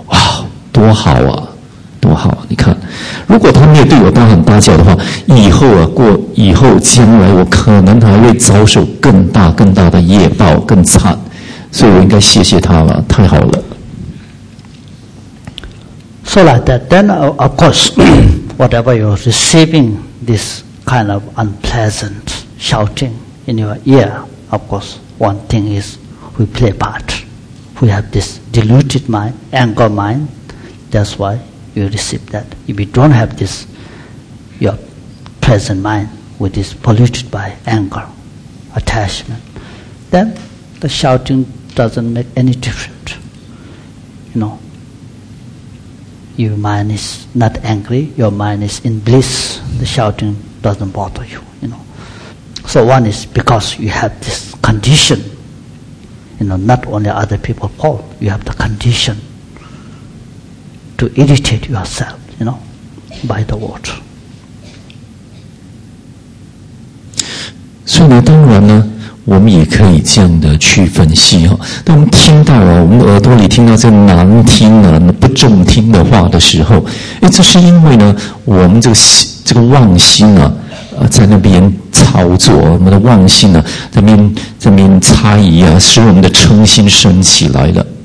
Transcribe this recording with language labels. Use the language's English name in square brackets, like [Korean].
[Chinese] 哇，多好啊，多好！你看，如果他没有对我大喊大叫的话，以后将来我可能还会遭受更大更大的业报，更惨。所以我应该谢谢他了，太好了。 [English] So like that, then of course. Whatever you are receiving, this kind of unpleasant shouting in your ear, of course, one thing is we play part. We have this deluded mind, anger mind, that's why you receive that. If you don't have this, your present mind, which is polluted by anger, attachment, then the shouting doesn't make any difference, you know. Your mind is not angry, your mind is in bliss, the shouting doesn't bother you, you know. So one is because you have this condition, you know, not only other people fault, you have the condition to irritate yourself, you know, by the word. [Chinese] 所以呢，当然呢，我们也可以这样的去分析哦。当听到我们耳朵里听到这难听的、不中听的话的时候，哎，这是因为呢，我们这个妄心啊，在那边操作，我们的妄心呢、在那边猜疑啊，使我们的嗔心升起来了。